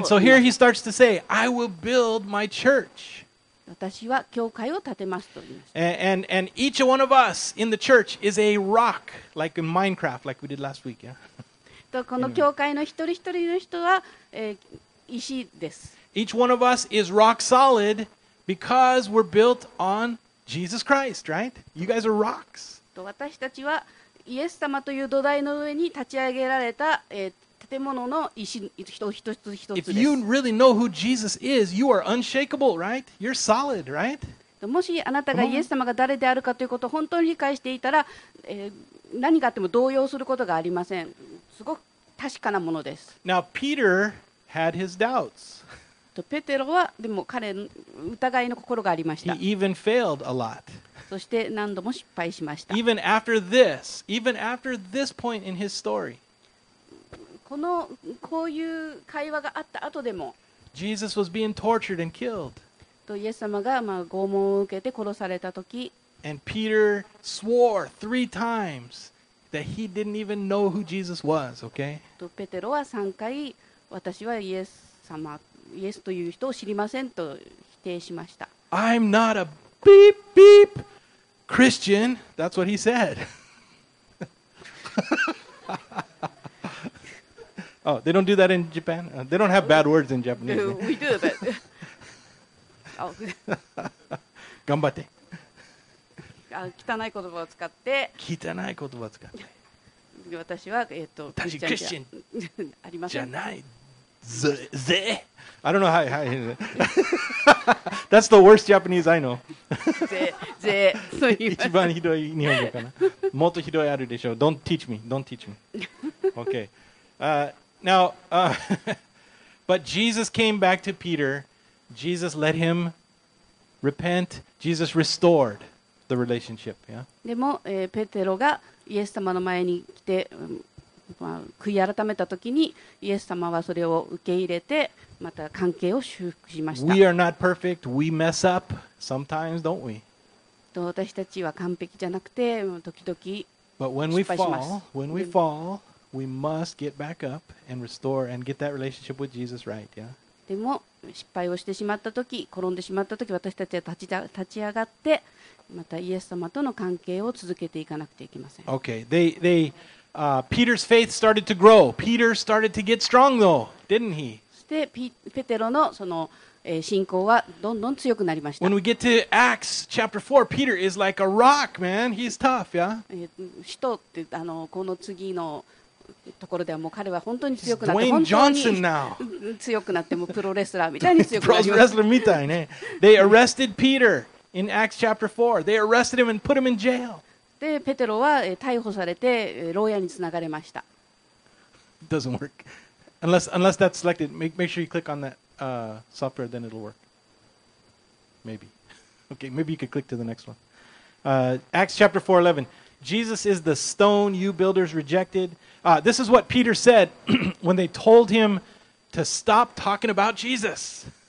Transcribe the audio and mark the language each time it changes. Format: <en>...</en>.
<en>And so here he starts to say, I will build my church.</en> <ja>私は教会を建てますと言いました。</ja> <en>And each one of us in the church is a rock, like in Minecraft, like we did last week.</en> <ja>とこの教会の一人一人の人は、石です。</ja> <en>Each one of us is rock solid because we're built on Jesus Christ, right? You guys are rocks.</en> <ja>と私たちはイエス様という土台の上に立ち上げられた、建物の石一つ一つ一つです。</ja> <en>If you really know who Jesus is, you are unshakable, right? You're solid, right?</en> <ja>もしあなたがイエス様が誰であるかということを本当に理解していたら、何があっても動揺することがありません。すごく確かなものです。</ja> <en>Now, Peter had his doubts.</en> <ja>とペテロはでも彼疑いの心がありました。</ja> <en>He even failed a lot.</en> <ja>そして何度も失敗しました。</ja> <en>Even after this point in his story,</en> <ja>このこういう会話があった後でも、</ja> <en>Jesus was being tortured and killed.</en> <ja>とイエス様がまあ拷問を受けて殺された時、</ja> <en>And Peter swore three times that he didn't even know who Jesus was. Okay?</en> <ja>とペテロは三回私はイエス様イエスという人を知りませんと否定しました。</ja> <en>I'm not a beep beep. Christian, that's what he said. Oh, they don't do that in Japan. They don't have bad words in Japanese. We do that.</en> <ja>Ganbatte. 汚い言葉を使って。汚い言葉を使って。私は</ja> <en>Christian</en> <ja>ありません。じゃない。ぜ。</ja> <en>I don't know how. How That's the worst Japanese I know.</en> <ja>ぜぜそう言います。一番ひどい日本語かな。もっとひどいあるでしょう。</ja> <en>Don't teach me. Don't teach me. Okay. Now, but Jesus came back to Peter. Jesus let him repent. Jesus restored the relationship. Yeah.</en> <ja>でも、ペテロがイエス様の前に来て、まあ、悔い改めた時にイエス様はそれを受け入れて。また関係を修復しました。</ja> <en>We are not perfect. We mess up sometimes, don't we?</en> <ja>と私たちは完璧じゃなくて、時々失敗します。</ja> <en>But when we fall, when we fall, we must get back up and restore and get that relationship with Jesus right, yeah?</en> <ja>でも失敗をしてしまった時、転んでしまった時、私たちは立ち上がって、またイエス様との関係を続けていかなくてはいけません。</ja> <en>Okay, Peter's faith started to grow. Peter started to get strong though, didn't he?</en> <ja>でペテロのその、信仰はどんどん強くなりました。</ja> <en>When we get to Acts chapter 4, Peter is like a rock, man. He's tough, yeah?</en> <ja>使徒ってあのこの次のところではもう彼は本当に強くなって</ja> <en>He's Dwayne Johnson now.</en> <ja>強くなってもプロレスラーみたいに強くなりました。プロレスラーみたいね。</ja> <en>They arrested Peter in Acts chapter 4. They arrested him and put him in jail.</en> <ja>でペテロは逮捕されて牢屋につながれました。</ja> <en>Doesn't work. unless that's selected, make sure you click on that software, then it'll work. Maybe. Okay, maybe you could click to the next one. Acts chapter 4:11. Jesus is the stone you builders rejected. This is what Peter said when they told him to stop talking about Jesus.</en>